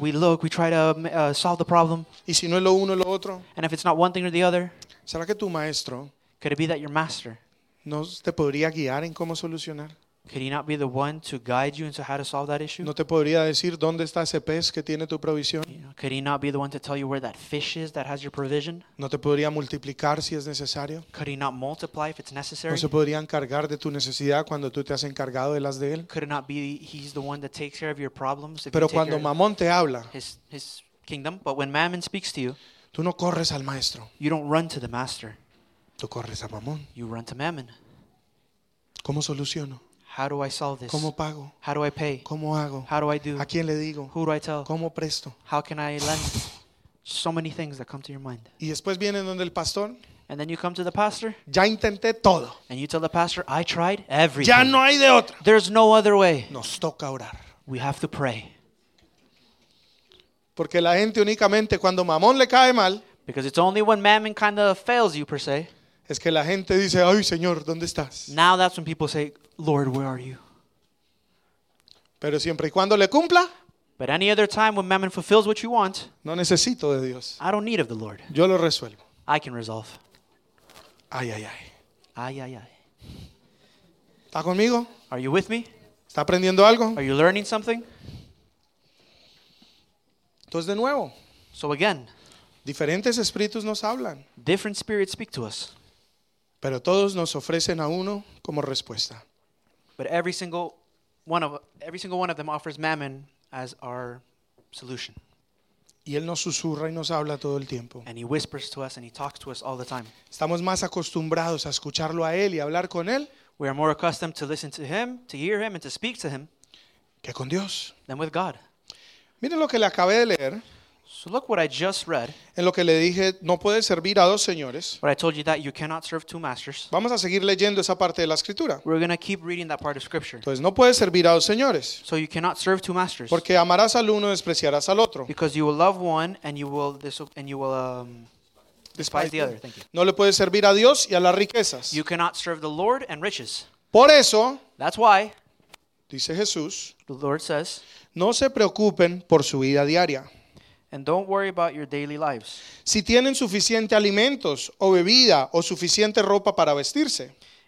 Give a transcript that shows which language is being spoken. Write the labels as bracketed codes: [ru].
[en] We look, we try to solve the problem. [es] Y si no es lo uno, lo otro. [en] And if it's not one thing or the other. [es] ¿Será que tu maestro? [en] Could it be that your master? [es] ¿No te podría guiar en cómo solucionar? [en] Could he not be the one to guide you into how to solve that issue? [es] ¿No te podría decir dónde está ese pez que tiene tu provisión? [en] You know, could he not be the one to tell you where that fish is that has your provision? [es] ¿No te podría multiplicar si es necesario? [en] Could he not multiply if it's necessary? [es] ¿No se podría encargar de tu necesidad cuando tú te has encargado de las de él? [en] Could it not be he's the one that takes care of your problems? [es] Pero cuando mamón te habla, [en] his kingdom, but when mammon speaks to you, [es] tú no corres al maestro. [en] You don't run to the master. [es] Tú corres a mamón. [en] You run to mammon. [es] ¿Cómo soluciono? [en] How do I solve this? [es] ¿Cómo pago? [en] How do I pay? [es] ¿Cómo hago? [en] How do I do? [es] ¿A quién le digo? [en] Who do I tell? [es] ¿Cómo presto? [en] How can I lend? So many things that come to your mind. [es] Y después viene donde el pastor. [en] And then you come to the pastor. [es] Ya intenté todo. [en] And you tell the pastor, I tried everything. [es] Ya no hay de otra. [en] There's no other way. [es] Nos toca orar. [en] We have to pray. [es] Porque la gente únicamente cuando mamón le cae mal. [en] Because it's only when mammon kind of fails you per se. [es] Es que la gente dice, ay Señor, ¿dónde estás? [en] Now that's when people say, Lord, where are you? [es] Pero siempre y cuando le cumpla. [en] But any other time when mammon fulfills what you want. [es] No necesito de Dios. [en] I don't need of the Lord. [es] Yo lo resuelvo. [en] I can resolve. [es] Ay, ay, ay. [en] Ay, ay, ay. [es] ¿Está conmigo? [en] Are you with me? [es] ¿Está aprendiendo algo? [en] Are you learning something? [es] Entonces de nuevo. [en] So again. [es] Diferentes espíritus nos hablan. [en] Different spirits speak to us. [es] Pero todos nos ofrecen a uno como respuesta. [en] But every single one of them offers mammon as our solution. [es] Y él nos susurra y nos habla todo el tiempo. [en] And he whispers to us and he talks to us all the time. [es] Estamos más acostumbrados a escucharlo a él y hablar con él. [en] We are more accustomed to listen to him, to hear him and to speak to him. [es] Que con Dios. [en] Than with God. [es] Miren lo que le acabé de leer. [en] So look what I just read. [es] En lo que le dije, no puedes servir a dos señores. [en] But I told you that you cannot serve two masters. [es] Vamos a seguir leyendo esa parte de la escritura. [en] We're going to keep reading that part of scripture. [es] Entonces, no puedes servir a dos señores. [en] So you cannot serve two masters. [es] Porque amarás al uno y despreciarás al otro. [en] Because you will love one and you will despise the other. Thank you. [es] No le puedes servir a Dios y a las riquezas. [en] You cannot serve the Lord and riches. [es] Por eso. [en] That's why. [es] Dice Jesús. [en] The Lord says. [es] No se preocupen por su vida diaria. [en] And don't worry about your daily lives. [es] Si tienen suficiente alimentos o bebida o suficiente ropa para vestirse.